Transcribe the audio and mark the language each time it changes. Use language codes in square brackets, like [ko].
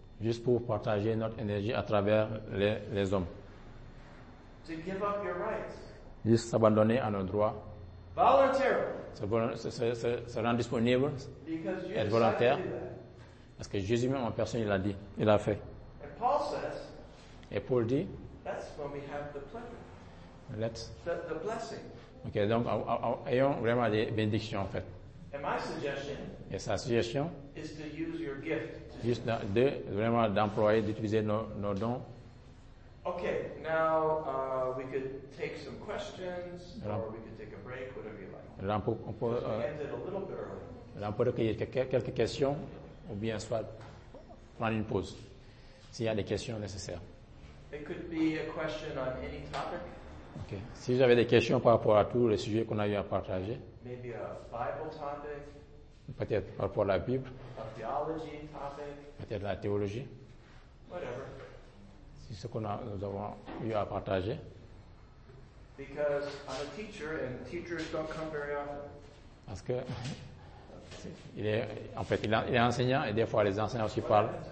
[fr] Juste pour partager notre énergie à travers les hommes. [en] To give up your rights. [fr] Juste s'abandonner à nos droits. [en] Voluntarily. [fr] Se rendre disponible. [en] Because Jesus [fr] être volontaire. [en] Said to do that. [fr] Parce que Jésus même en personne, il l'a dit, il l'a fait. [en] And Paul says, [fr] et Paul dit, [en] that's when we have the pleasure. The blessing. [fr] Ok, donc ayons vraiment des bénédictions en fait. [en] And my suggestion, [fr] et sa suggestion, [en] is to use your gift. [fr] Juste de vraiment d'employer, d'utiliser nos dons. [en] Ok, now we could take some questions, alors, or we could take a break, whatever you like. [fr] Là, on peut recueillir quelques questions, ou bien soit prendre une pause, s'il y a des questions nécessaires. [en] It could be a question on any topic. [fr] Ok, si j'avais des questions par rapport à tous les sujets qu'on a eu à partager. [en] Maybe a Bible topic. [fr] Peut-être par rapport à la Bible. [en] A theology topic. [fr] Peut-être la théologie. [en] Whatever. [fr] C'est ce qu'on a, nous avons eu à partager. [en] Because I'm a teacher and teachers don't come very often. [fr] Parce que il est enseignant et des fois les enseignants aussi parlent.